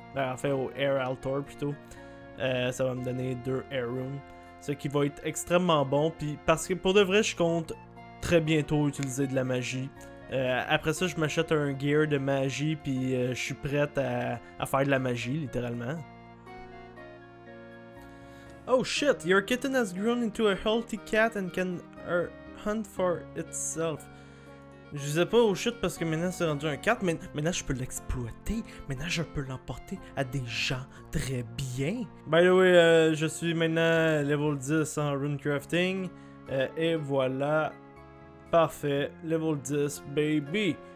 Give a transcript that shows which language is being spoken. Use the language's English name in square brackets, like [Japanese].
[French] Enfin, au Air Altar plutôt. Ça va me donner 2 Air Runes. Ce qui va être extrêmement bon. Puis parce que pour de vrai, je compte très bientôt utiliser de la magie. Après ça, je m'achète un gear de magie. Puis je suis prête à faire de la magie, littéralement. [English] Oh shit, your kitten has grown into a healthy cat and can hunt for itself. [French] Je disais pas au shit parce que maintenant c'est rendu un 4, mais maintenant je peux l'exploiter. Maintenant je peux l'emporter à des gens très bien. [English] By the way, [French] je suis maintenant level 10 en runecrafting. Et voilà. Parfait. [English] Level 10, baby.